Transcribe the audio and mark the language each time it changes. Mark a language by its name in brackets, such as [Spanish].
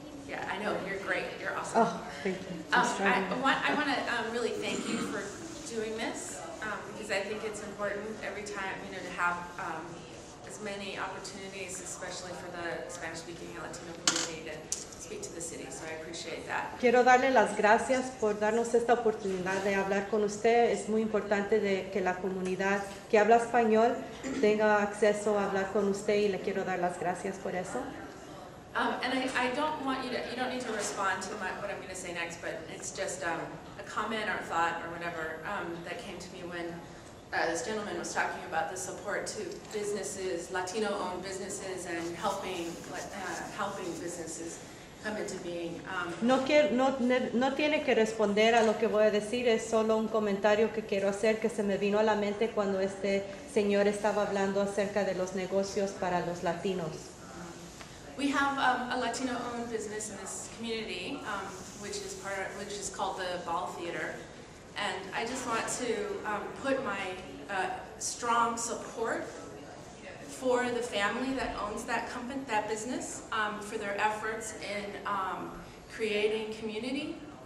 [English] I know you're great. You're awesome. Oh, thank you. I want to really thank you for doing this because I think it's important every time you know to have as many opportunities, especially for the Spanish-speaking Latino community, to speak to the city. So I appreciate that. [Spanish] Quiero darle las gracias por darnos esta oportunidad de hablar con usted. Es muy importante de que la comunidad que habla español tenga acceso a hablar con usted, y le quiero dar las gracias por eso. [English] And I don't want you to, you don't need to respond to what I'm going to say next, but it's just a comment or thought or whatever that came to me when this gentleman was talking about the support to businesses, Latino-owned businesses, and helping businesses come into being. [Spanish] No tiene que responder a lo que voy a decir. Es solo un comentario que quiero hacer que se me vino a la mente cuando este señor estaba hablando acerca de los negocios para los latinos. [English] We have a Latino-owned business in this community, which is called the Ball Theater. And I just want to put my strong support for the family that owns that company, that business, for their efforts in creating community.